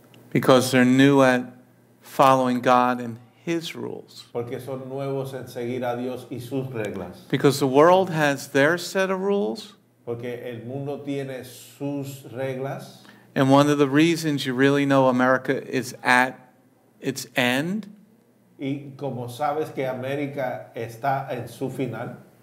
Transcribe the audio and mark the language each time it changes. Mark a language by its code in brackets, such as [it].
[en] Because they're new at following God and His rules. [es] Porque son nuevos en seguir a Dios y sus reglas. [en] Because the world has their set of rules. [es] Porque el mundo tiene sus reglas. [en] And one of the reasons you really know America is at its end. [es] Y como sabes que América está en su final.